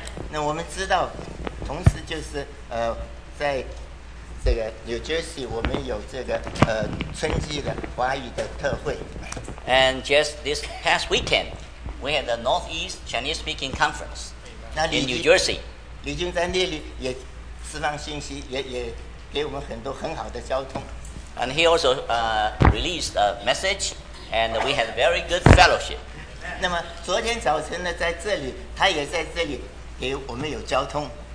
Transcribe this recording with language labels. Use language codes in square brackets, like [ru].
[zh] 那我们知道，同时就是在这个 New Jersey， 我们有这个春季的华语的特会。And [en] just this past weekend, we had the Northeast Chinese Speaking Conference. In New Jersey. [zh] 李军在那里也释放信息，也给我们很多很好的交通。 [en] And he also released a message, and we had very good fellowship. [zh] 那么昨天早晨呢，在这里，他也在这里给我们有交通。